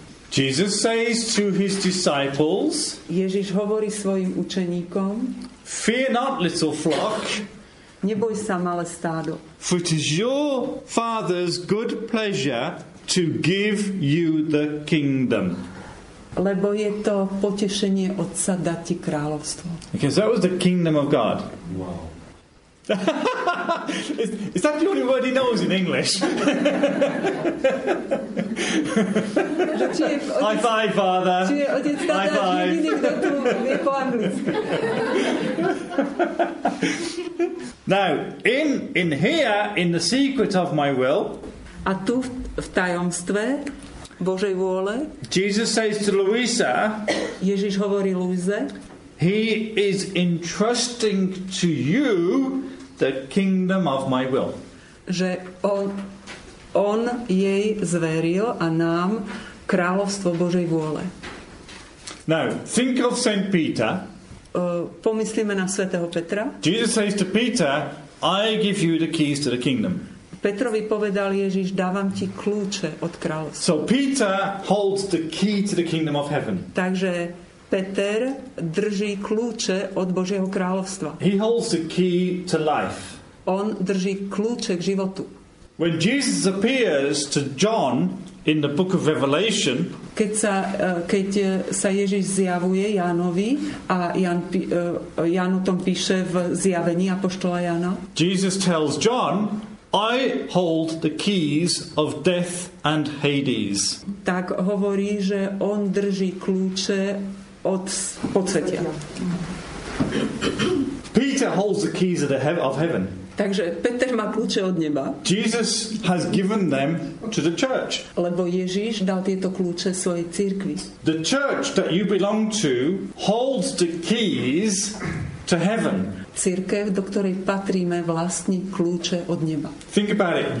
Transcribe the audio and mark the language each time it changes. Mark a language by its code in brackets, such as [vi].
[en] Jesus says to his disciples, [sk] Ježiš hovorí svojim učeníkom, [en] fear not, little flock, [sk] neboj sa, malé stádo, [en] for it is your father's good pleasure to give you the kingdom. [sk] Lebo je to potešenie Otca dať ti kráľovstvo. [en] Okay, so that was the kingdom of God. Wow. Is that the only word he knows in English? High five, father. High five. Now, in here, in the secret of my will, [sk] a tu v tajomstve Božej vôle, [en] Jesus says to Louisa, [sk] Ježiš hovorí Louise, [en] he is entrusting to you the kingdom of my will. [sk] Že on jej zveril a nám kráľovstvo Božej vôle. [en] Now, think of St. Peter. [sk] Pomyslíme na svätého Petra. [en] Jesus says to Peter, I give you the keys to the kingdom. [sk] Petrovi povedal Ježiš, dávam ti kľúče od kráľovstva. [en] So Peter holds the key to the kingdom of heaven. [sk] Takže Peter drží kľúče od Božieho kráľovstva. [en] He holds the key to life. [sk] On drží kľúče k životu. [en] When Jesus appears to John in the book of Revelation, [sk] keď sa Ježiš zjavuje Jánovi a Ján o tom píše v zjavení apoštola Jána, [en] Jesus tells John, I hold the keys of death and Hades. [sk] Tak hovorí, že on drží kľúče od podsvetia. [en] Peter holds the keys of heaven. [sk] Takže Peter má kľúče od neba. [en] Jesus has given them to the church. [sk] Lebo Ježiš dal tieto kľúče svojej cirkvi. [en] The church that you belong to holds the keys to heaven. [sk] Cirkev, do ktorej patríme, vlastní kľúče od neba. [en] Think about it.